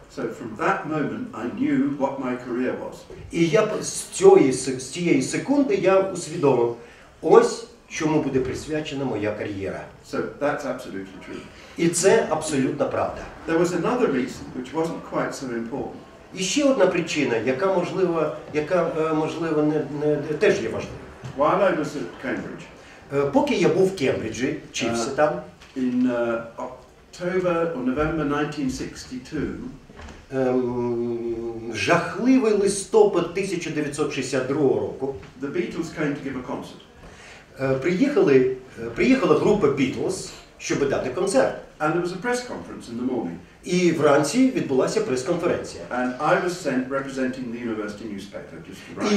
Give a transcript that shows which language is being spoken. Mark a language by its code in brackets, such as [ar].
[en] So from that moment I knew what my career was. [uk] І я з цієї секунди я усвідомив, ось чому буде присвячена моя кар'єра. [en] So that's absolutely true. [uk] І це абсолютна правда. [en] There was another reason which wasn't quite so important. [uk] І ще одна причина, яка можливо не теж є важлива. [en] While I was at Cambridge. [uk] Поки я був в Кембриджі, вчився там. [en] October or November 1962. [uk] Жахливий листопад 1962 року. [en] The Beatles came to give a concert. [uk] Приїхала група Beatles, щоб дати концерт. [en] And there was a press conference in the morning. [uk] І вранці відбулася прес-конференція. [en] And I was sent representing the university newspaper.